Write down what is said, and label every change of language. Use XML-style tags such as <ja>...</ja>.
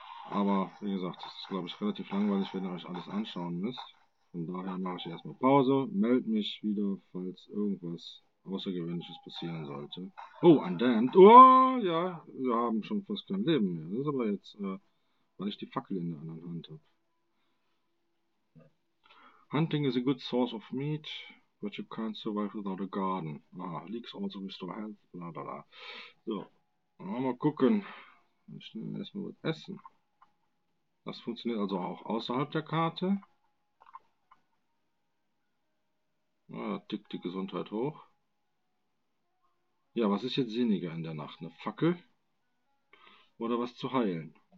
<de>Aber wie gesagt, das ist, glaube ich, relativ langweilig, wenn ihr euch alles anschauen müsst. Von daher mache ich erstmal Pause, melde mich wieder, falls irgendwas Außergewöhnliches passieren sollte. Oh, ein Damned. Oh, ja, wir haben schon fast kein Leben mehr. Das ist aber jetzt, weil ich die Fackel in der anderen Hand habe.</de> <en>Hunting is a good source of meat, but you can't survive without a garden. Ah, leaks also restore health, bla bla bla.</en> <de>So, mal gucken. Ich nehme erstmal was essen. Das funktioniert also auch außerhalb der Karte. Ah, tickt die Gesundheit hoch. Ja, was ist jetzt sinniger in der Nacht? Eine Fackel? Oder was zu heilen?</de>